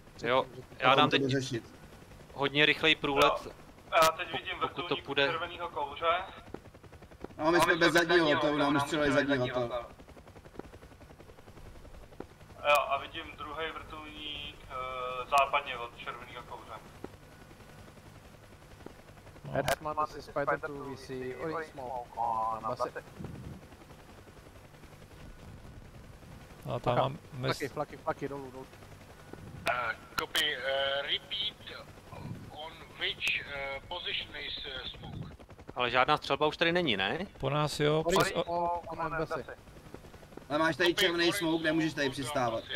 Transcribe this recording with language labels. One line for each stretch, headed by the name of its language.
Czech: Jo, já dám teď řešit. Hodně rychlej průlet. Jo. Já teď vidím vrtulník červeného kouře. No, my jsme bez zadního hotelu, nám ustřelili zadní hotel. Jo, a vidím druhý vrtulník západně od červeného kouře. No.
English: Hertzman, this is Spider 2, we see orange smoke on base.
Czech: A tam mám mes... Flaky, dolů, dolů.
English: Copy, repeat, on which position is smoke?
Czech: Ale žádná střelba už tady není, ne? Po nás jo, přes...
English: Orange smoke,
Czech: ale máš tady červený smoke, nemůžeš tady přistávat.